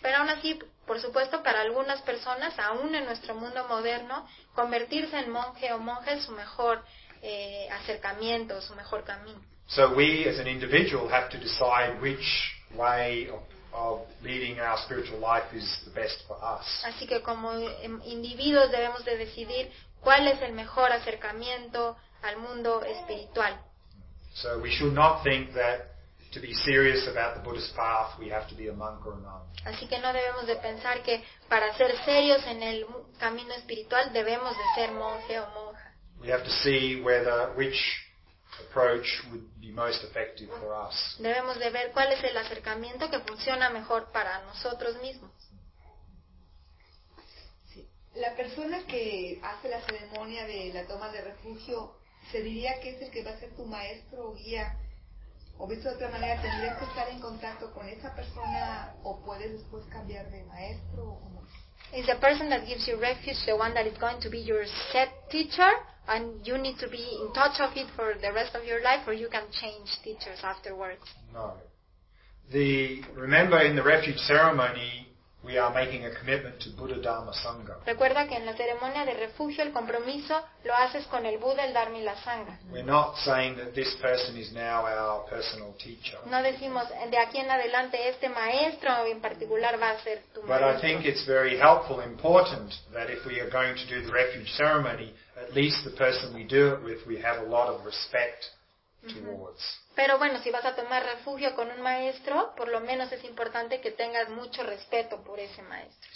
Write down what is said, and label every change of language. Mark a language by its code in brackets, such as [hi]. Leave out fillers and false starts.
[es] Pero aún así, por supuesto, para algunas personas, aún en nuestro mundo moderno, convertirse en monje o monja es su mejor acercamiento, su mejor camino. [en] So we as an individual have to decide which way of leading our spiritual life is the best for us. [es] Así que como individuos debemos de decidir cuál es el mejor acercamiento al mundo espiritual. [en] So we should not think that to be serious about the Buddhist path we have to be a monk or a nun. [es] Así que no debemos de pensar que para ser serios en el camino espiritual debemos de ser monje o monja. [en] We have to see which approach would be most effective for us. [es] Debemos de ver cuál es el acercamiento que funciona mejor para nosotros mismos. Sí. La persona que hace la ceremonia de la toma de refugio, ¿se diría que es el que va a ser tu maestro o guía? ¿O visto de otra manera, tendrías que estar en contacto con esa persona o puedes después cambiar de maestro o como? [en] Is the person that gives you refuge the one that is going to be your set teacher and you need to be in touch of it for the rest of your life, or you can change teachers afterwards? No. Remember, in the refuge ceremony, we are making a commitment to Buddha, Dharma, Sangha. [es] Recuerda que en la ceremonia de refugio el compromiso lo haces con el Buda, el Dharma y la Sangha. [en] We're not saying that this person is now our personal teacher. [es] No decimos de aquí en adelante este maestro en particular va a ser tu maestro. [en] But I think it's very helpful, important that if we are going to do the refuge ceremony, at least the person we do it with, we have a lot of respect towards. [es] Pero bueno, si vas a tomar refugio con un maestro, por lo menos es importante que tengas mucho respeto por ese maestro.